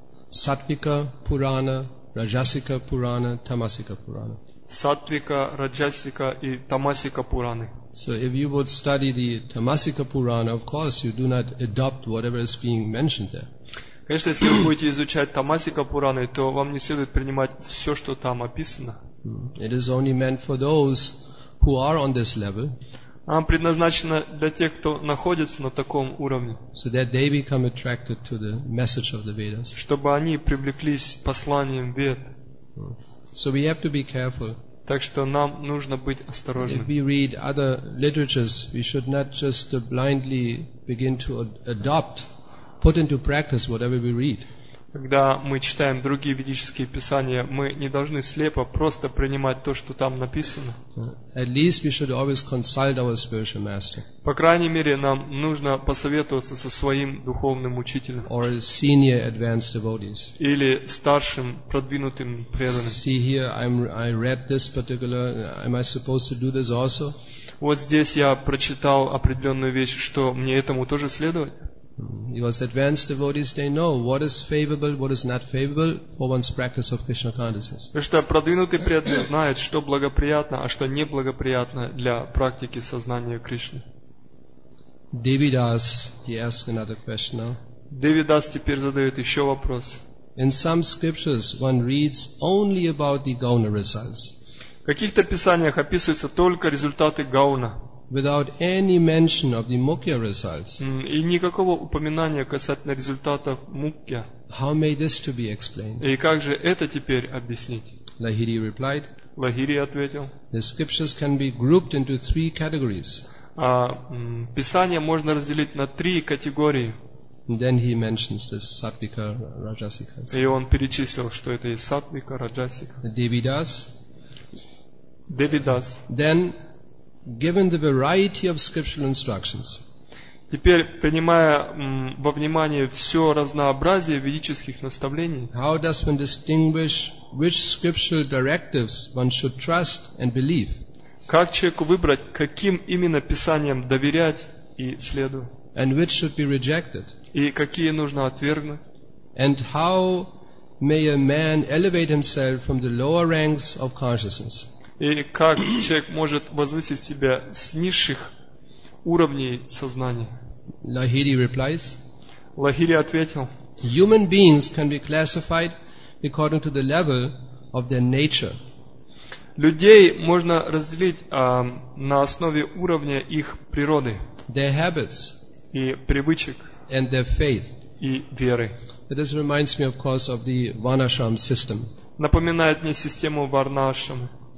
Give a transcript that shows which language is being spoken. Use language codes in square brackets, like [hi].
[ru] Саттвика Пурана, Раджасика Пурана, Тамасика Пурана. Саттвика, Раджасика и Тамасика Пураны. [en] So if you would study the Tamasika Purana, of course you do not adopt whatever is being mentioned there. [ru] Конечно, если вы будете изучать Тамасика Пураны, то вам не следует принимать все, что там описано. [en] It is only meant for those who are on this level. [ru] Он предназначен для тех, кто находится на таком уровне. [en] So that they become attracted to the message of the Vedas. [ru] Чтобы они привлеклись посланием Вед. [en] So we have to be careful. [ru] Так что нам нужно быть осторожными. [en] If we read other literatures, we should not just blindly begin to adopt, put into practice whatever we read. [ru] Когда мы читаем другие ведические писания, мы не должны слепо просто принимать то, что там написано. [en] At least we should always consult our spiritual master. [ru] По крайней мере, нам нужно посоветоваться со своим духовным учителем. [en] Or senior advanced devotees. [ru] Или старшим продвинутым преданным. [en] See here, I read this particular. Am I supposed to do this also? [ru] Вот здесь я прочитал определенную вещь, что мне этому тоже следовать? [en] Because advanced devotees, they know what is favorable, what is not favorable for one's practice of Krishna consciousness. [ru] Потому что продвинутый преданный знает, что благоприятно, а что неблагоприятно для практики сознания Кришны. [en] Devidas, he asks another question now. [ru] Devidas теперь задает еще вопрос. [en] In some scriptures, one reads only about the gauna results. [ru] В каких-то писаниях описываются только результаты гауна. [en] Without any mention of the mukhya results. [ru] И никакого упоминания касательно результатов мукхя. [en] How may this to be explained? [ru] И как же это теперь объяснить? [en] Лахири replied. [ru] Лахири ответил. [en] The scriptures can be grouped into three categories. [ru] Писание можно разделить на три категории. [en] And then he mentions this саттвика, раджасика. [ru] И он перечислил, что это есть саттвика, раджасика. [en] Девидас. [ru] Девидас. [en] Then, given the variety of scriptural instructions, [ru] теперь принимая во внимание все разнообразие ведических наставлений, [en] how does one distinguish which scriptural directives one should trust and believe? [ru] Как человеку выбрать, каким именно писаниям доверять и следовать? [en] And which should be rejected? [ru] И какие нужно отвергнуть? [en] And how may a man elevate himself from the lower ranks of consciousness? [ru] И как человек может возвысить себя с низших уровней сознания? [en] Лахири replies. [ru] Лахири ответил: [en] Human beings can be classified according to the level of their nature. [ru] Людей можно разделить на основе уровня их природы, [en] their habits, [ru] и привычек, [en] and their faith, [ru] и веры. [en] This reminds me, of course, of the Varnashram system. [ru] Напоминает мне систему Варнашрама.